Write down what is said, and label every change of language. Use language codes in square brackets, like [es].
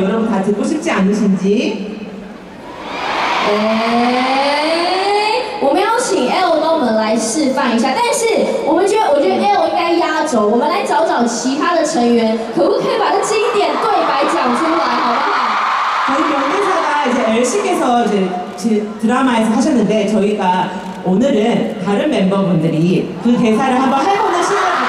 [ko] 여러분 다 듣고 싶지 않으신지? [zh] 에이,我们要请 L帮我们来示范一下。但是我们觉得 L应该压轴。我们来找找其他的成员，可不可以把这经典对白讲出来，好不好？ [ko] 저희 명대사가 이제 L씨께서 이제 드라마에서 하셨는데 저희가 오늘은 다른 멤버분들이 그 대사를 한번 해보는 시간.